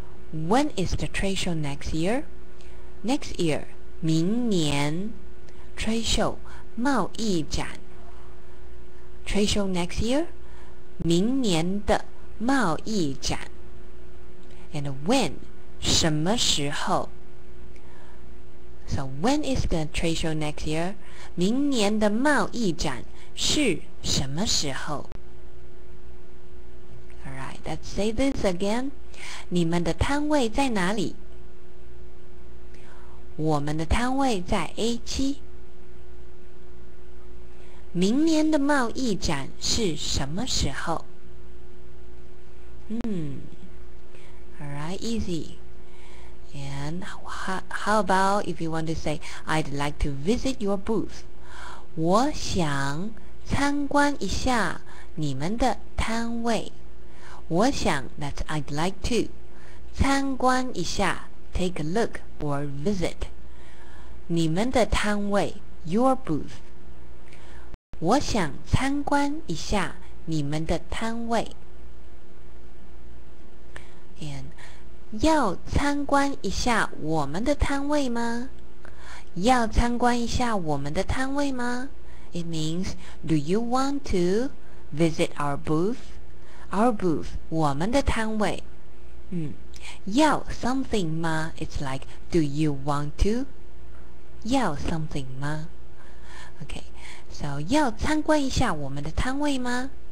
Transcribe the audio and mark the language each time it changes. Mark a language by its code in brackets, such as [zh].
[en] When is the trade show next year? Next year, [zh] 明年 [en] trade show [zh] 贸易展 [en] trade show next year. [zh] 明年的贸易展 [en] And when? [zh] 什么时候? [en] So when is the trade show next year? [zh] 明年的贸易展是什么时候? [en] Alright, let's say this again. [zh] 你们的摊位在哪里? 我们的摊位在 A7. 明年的贸易展是什么时候? [en] quite easy. And how about if you want to say, I'd like to visit your booth. [zh] 我想参观一下你们的摊位。我想 [en] that I'd like to. [zh] 参观一下 [en] take a look or visit. [zh] 你们的摊位 [en] your booth. [zh] 我想参观一下你们的摊位。 [en] And [zh] 要参观一下我们的摊位吗？要参观一下我们的摊位吗？ [en] It means, do you want to visit our booth? Our booth, [zh] 我们的摊位。要 [en] something 吗？It's like, do you want to? [zh] 要 something 吗？ [en] Okay, so [zh] 要参观一下我们的摊位吗？